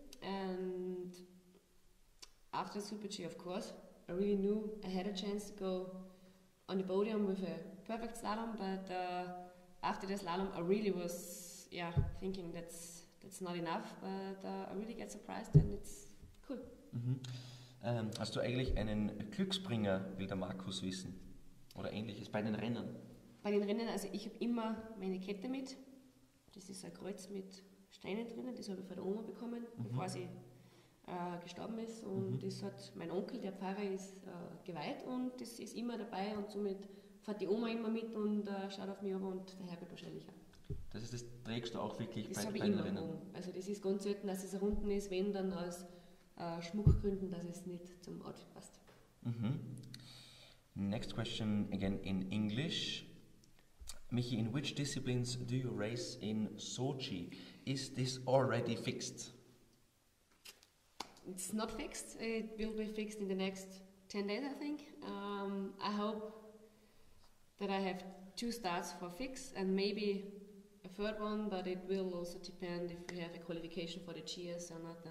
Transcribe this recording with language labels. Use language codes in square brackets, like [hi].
[en] And after Super G, of course, I really knew I had a chance to go on the podium with a perfect slalom. But after the slalom, I really was thinking that's not enough. But I really get surprised, and it's cool. Mm-hmm. [de] Hast du eigentlich einen Glücksbringer, will der Markus wissen? Oder ähnliches bei den Rennen? Bei den Rennen, also ich habe immer meine Kette mit. Das ist ein Kreuz mit Steinen drinnen, das habe ich von der Oma bekommen, bevor sie gestorben ist. Und das hat mein Onkel, der Pfarrer, ist geweiht, und das ist immer dabei. Und somit fährt die Oma immer mit und schaut auf mich runter, und der Herbert wahrscheinlich auch. Das ist, das trägst du auch wirklich das bei den Rennen? Das habe ich immer. Also das ist ganz selten, dass es unten ist, wenn dann als Schmuckgründen, dass es nicht zum Outfit passt. [en] Mm-hmm. Next question again in English. Michi, in which disciplines do you race in Sochi? Is this already fixed? It's not fixed. It will be fixed in the next 10 days, I think. I hope that I have two starts for fix and maybe a third one, but it will also depend if we have a qualification for the GS or not.